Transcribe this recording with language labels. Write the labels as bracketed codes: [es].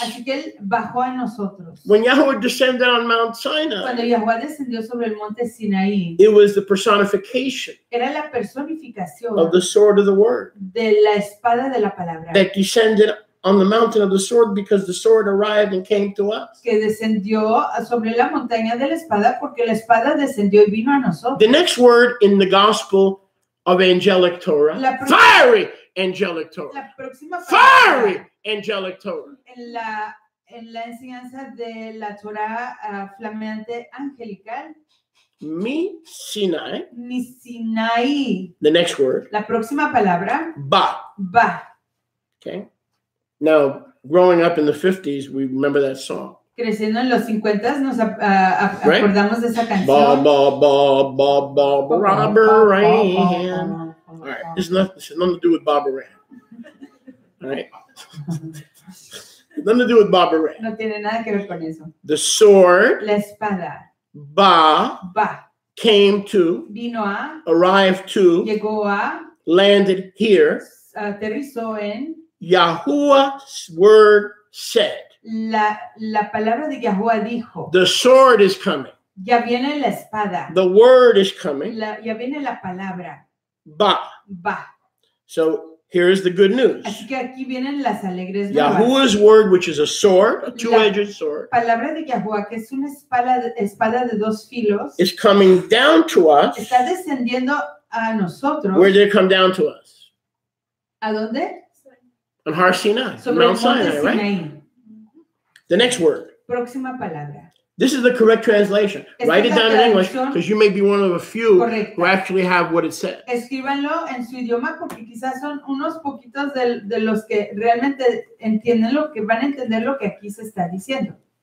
[es] Así que él bajó a nosotros. [en] When Yahuwah descended on Mount Sinai, [es] cuando Yahuwah descendió sobre el monte Sinaí, [en] it was the personification [es] era la personificación [en] of the sword of the word [es] de la espada de la palabra [en] that descended on the mountain of the sword because the sword arrived and came to us. [es] Que descendió sobre la montaña de la espada porque la espada descendió y vino a nosotros. [en] The next word in the gospel of angelic Torah, fiery angelic Torah. [es] La próxima [en] fiery angelic Torah. [es] En la enseñanza de la Torah flameante angelical. [he] Mi Sinai. Mi Sinai. [en] The next word. [es] La próxima palabra. Ba. Ba. [en] Okay. Now, growing up in the 50s, we remember that song. [es] Creciendo en los 50s, nos acordamos de esa canción. Ba, ba, ba, ba, ba, ba, ba, ba, ba. [en] All right, this has nothing to do with Bob Arum. All right. Nothing to do with Bob Arum. [es] No tiene nada que ver con eso. [en] The sword. [es] La espada. [en] Ba. Came to. [es] Vino a. [en] Arrived to. [es] Llegó a. [en] Landed here. [es] Aterrizó en. [en] Yahuwah's word said. [es] La palabra de Yahuwah dijo. [en] The sword is coming. [es] Ya viene la espada. [en] The word is coming. [es] Ya viene la palabra. [en] Ba. So here is the good news. [es] Así que aquí vienen las alegres nuevas. [en] Yahuwah's word, which is a sword, a two-edged sword. [es] Palabra de Yahuwah, que es una espada de dos filos. [en] Is coming down to us. [es] Está descendiendo a nosotros. [en] Where did it come down to us? [es] ¿A dónde? [en] On Har Sinai, Mount Sinai, right? [es] Sinai. [en] The next word. [es] Próxima palabra. [en] This is the correct translation. Write it down in English, because you may be one of a few correcta. Who actually have what it says. [es] Escríbanlo en su idioma, porque quizás son unos poquitos de los que realmente entienden lo que van a entender lo que aquí se está diciendo.